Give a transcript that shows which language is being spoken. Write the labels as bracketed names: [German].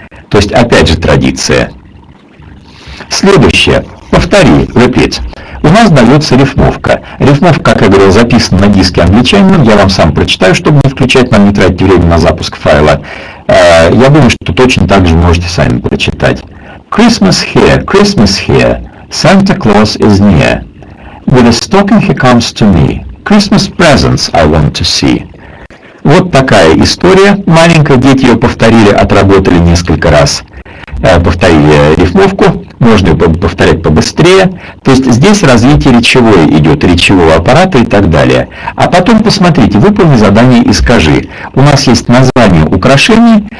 [Russian] То есть, опять же, традиция. Следующее. Повтори, repeat. У нас дается рифмовка. Рифмовка, как я говорил, записана на диске англичанином. Я вам сам прочитаю, чтобы не включать, нам не тратить время на запуск файла. Я думаю, что точно так же можете сами прочитать. [English] Christmas here, Christmas here. Santa Claus is near. With a stocking he comes to me. Christmas presents I want to see. [Russian] Вот такая история. Маленькая, дети ее повторили, отработали несколько раз. Повторили рифмовку. Можно ее повторять побыстрее. То есть здесь развитие речевое идет, речевого аппарата и так далее. А потом посмотрите, выполни задание и скажи. У нас есть название украшений.